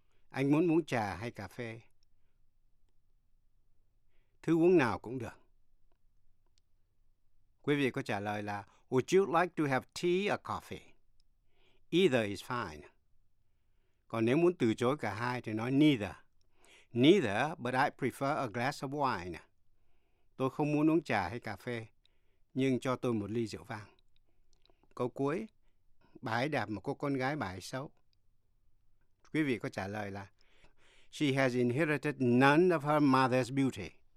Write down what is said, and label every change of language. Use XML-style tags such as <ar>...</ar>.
<vi>Anh muốn uống trà hay cà phê? Thứ uống nào cũng được. Quý vị có trả lời là</vi> <en>Would you like to have tea or coffee? Either is fine.</en> <vi>Còn nếu muốn từ chối cả hai thì nói neither.</vi> <en>Neither, but I prefer a glass of wine.</en> <vi>Tôi không muốn uống trà hay cà phê, nhưng cho tôi một ly rượu vang. Câu cuối, bà ấy đạp một cô con gái bà ấy xấu. Quý vị có trả lời là</vi> <en>She has inherited none of her mother's beauty.</en>